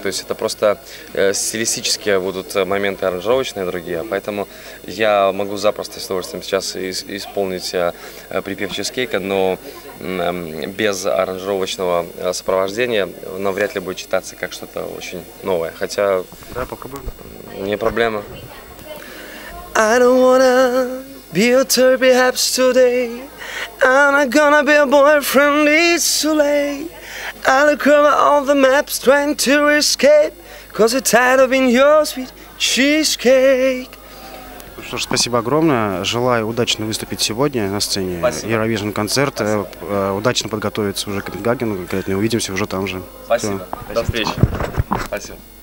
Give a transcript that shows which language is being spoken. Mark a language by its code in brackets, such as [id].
[ru] То есть это просто стилистические будут моменты аранжировочные другие. Поэтому я могу запросто с удовольствием сейчас исполнить припев Cheesecake, но без аранжировочного сопровождения, но вряд ли будет читаться как что-то очень новое. Хотя... Да, попробуем. Не проблема. [en] I don't wanna be a turby haps today. I'm not gonna be a boyfriend, it's too late. I look over all the maps trying to escape, 'cause I'm tired of being your sweet cheesecake. [ru] Ну что ж, спасибо огромное. Желаю удачно выступить сегодня на сцене Eurovision концерт. Удачно подготовиться уже к Копенгагену. Увидимся уже там же. Спасибо. До встречи. Спасибо.